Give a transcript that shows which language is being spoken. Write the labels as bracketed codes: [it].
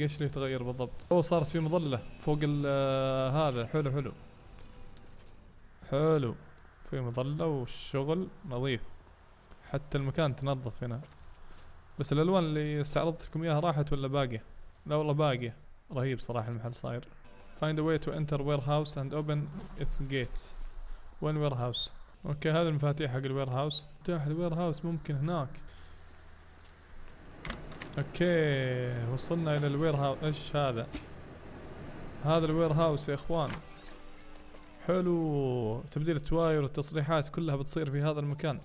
[ar] ايش اللي تغير بالضبط؟ اوه صارت في مظلة فوق هذا. حلو حلو حلو، في مظلة والشغل نظيف، حتى المكان تنظف هنا. بس الالوان اللي استعرضت لكم اياها راحت ولا باقية؟ لا والله باقية. رهيب صراحة المحل صاير. [en] Find a way to enter warehouse and open its gates. [ar] وين وير هاوس؟ اوكي هذا المفاتيح حق الوير هاوس. مفتاح الوير هاوس ممكن هناك. اوكي وصلنا الى الوير هاوس. ايش هذا؟ هذا الوير هاوس يا اخوان. حلو، تبديل التواير والتصريحات كلها بتصير في هذا المكان.